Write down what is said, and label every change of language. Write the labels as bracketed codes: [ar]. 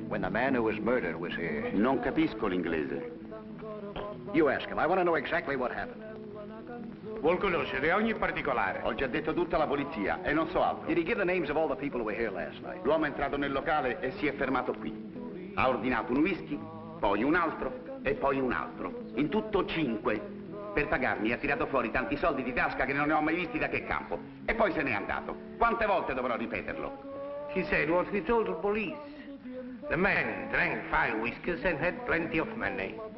[en] When the man who was murdered was here. [it] Non capisco l'inglese. [en] You ask him. I want to know exactly what happened. [it] Vuol conoscere ogni particolare. Ho già detto tutta la polizia e non so altro. [en] Did he give the names of all the people who were here last night? [it] L'uomo è entrato nel locale e si è fermato qui. Ha ordinato un whisky, poi un altro e poi un altro. In tutto 5. Per pagarmi ha tirato fuori tanti soldi di tasca che non ne ho mai visti da che campo. E poi se n'è andato. Quante volte dovrò ripeterlo? [en] He said what he told the police. The man drank 5 whiskies and had plenty of money.